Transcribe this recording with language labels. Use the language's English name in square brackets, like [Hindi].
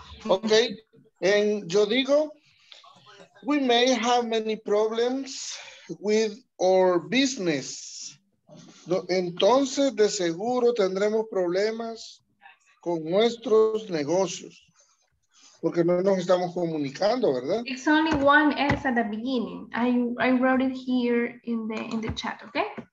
[English] And [Spanish] yo digo, [English] we may have many problems with our business. [Spanish] Entonces, de seguro tendremos problemas con nuestros negocios. Porque no nos estamos comunicando, ¿verdad? [English] It's only one S at the beginning. I wrote it here in the chat, okay?